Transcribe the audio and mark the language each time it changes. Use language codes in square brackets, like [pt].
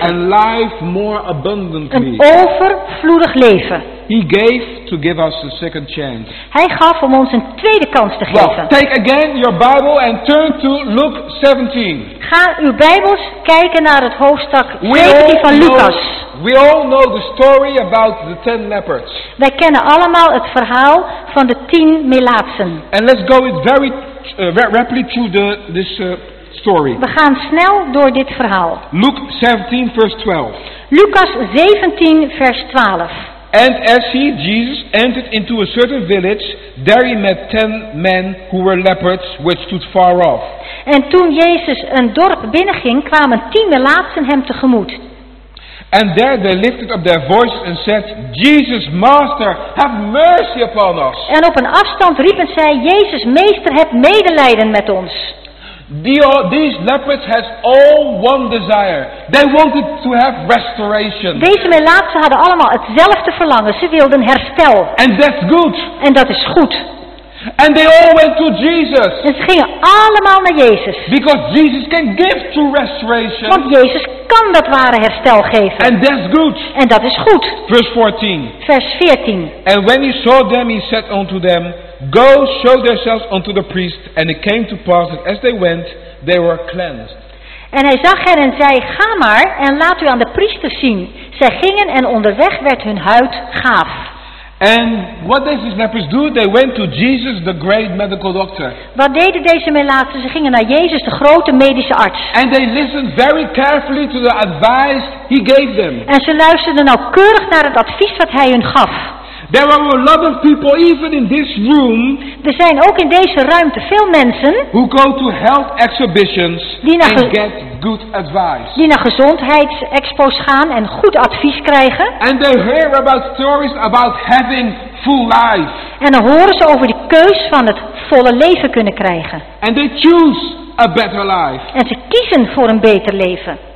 [en] And life more abundantly. [nl] Een overvloedig leven. [en] He gave to give us a second chance. [nl] Hij gaf om ons een tweede kans te geven. [en] Well, take again your Bible and turn to Luke 17. [nl] Ga uw Bijbels kijken naar het hoofdstuk 17 van Lucas. [en] We all know the story about the 10 lepers. [nl] Wij kennen allemaal het verhaal van de 10 melaatsen. [en] And let's go it very rapidly through this story. [nl] We gaan snel door dit verhaal. [en] Luke 17 verse 12. [nl] Lucas 17 vers 12. [en] And as he, Jesus, entered into a certain village, there he met 10 men who were lepers, which stood far off. [nl] En toen Jezus een dorp binnenging, kwamen 10 melaatsen hem tegemoet. [en] And there they lifted up their voices and said, Jesus, Master, have mercy upon us. [nl] En op een afstand riepen zij, Jezus, Meester, heb medelijden met ons. [en] These lepers had all one desire. They wanted to have restoration. [nl] Deze melaatsen hadden allemaal hetzelfde verlangen. Ze wilden herstel. [en] And that's good. [nl] En dat is goed. [en] And they all went to Jesus. [nl] En ze gingen allemaal naar Jezus. [en] Because Jesus can give true restoration. [nl] Want Jezus kan dat ware herstel geven. [en] And that's good. [nl] En dat is goed. [en] Verse 14. [nl] Vers 14. [en] And when he saw them, he said unto them, Go show yourselves unto the priest. And it came to pass that as they went, they were cleansed. [nl] En hij zag hen en zei, Ga maar en laat u aan de priester zien. Zij gingen en onderweg werd hun huid gaaf. [en] And what did these lepers do? They went to Jesus, the great medical doctor. [nl] Wat deden deze melaatsen? Ze gingen naar Jezus, de grote medische arts. [en] And they listened very carefully to the advice he gave them. [nl] En ze luisterden nauwkeurig naar het advies wat hij hun gaf. [en] There are a lot of people even in this room. [nl] Er zijn ook in deze ruimte veel mensen [en] who go to health exhibitions and get good advice. [nl] Die naar gezondheidsexpos gaan en goed advies krijgen. [en] And they hear about stories about having full life. [nl] En dan horen ze over de keus van het volle leven kunnen krijgen. [en] And they choose a better life. [nl] En ze kiezen voor een beter leven.